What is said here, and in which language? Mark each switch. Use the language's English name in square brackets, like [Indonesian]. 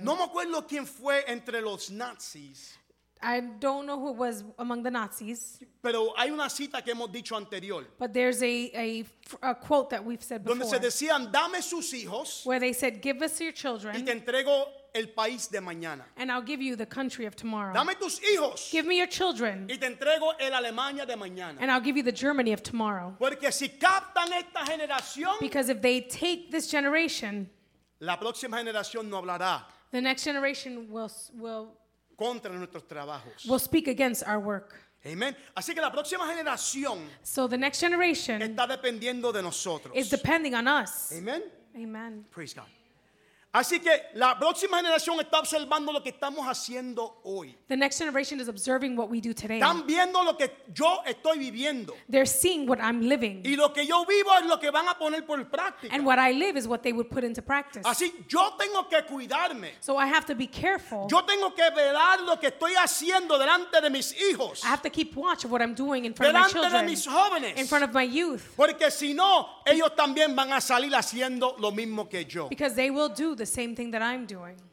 [Spanish] No me acuerdo quién fue entre los nazis. [English] I don't know who was among the Nazis. [Spanish] Pero hay una cita que hemos dicho anterior. [English] But there's a quote that we've said before. [Spanish] Donde se decían, dame sus hijos. [English] Where they said, give us your children. [Spanish] Y te entrego el país de mañana. [English] And I'll give you the country of tomorrow. [Spanish] Dame tus hijos. [English] Give me your children. [Spanish] Y te entrego el Alemania de mañana. [English] And I'll give you the Germany of tomorrow. [Spanish] Porque si captan esta generación. [English] Because if they take this generation. [Spanish] La próxima generación no hablará. [English] The next generation will. [Spanish] Contra nuestros trabajos. [English] Will speak against our work. [Spanish] Amen. Así que la próxima generación. [English] So the next generation. [Spanish] Está dependiendo de nosotros. [English] Is depending on us. Amen. Amen. Praise God. [Spanish] Así que la próxima generación está observando lo que estamos haciendo hoy. [English] The next generation is observing what we do today. [Spanish] Están viendo lo que yo estoy viviendo. [English] They're seeing what I'm living. [Spanish] Y lo que yo vivo es lo que van a poner por práctica. [English] And what I live is what they would put into practice. [Spanish] Así yo tengo que cuidarme. [English] So I have to be careful. [Spanish] Yo tengo que velar lo que estoy haciendo delante de mis hijos. [English] I have to keep watch of what I'm doing in front of my children. [Spanish] Delante de mis jóvenes. [English] In front of my youth. [Spanish] Porque si no, ellos también van a salir haciendo lo mismo que yo. [English] Because they will do the same thing that I'm doing.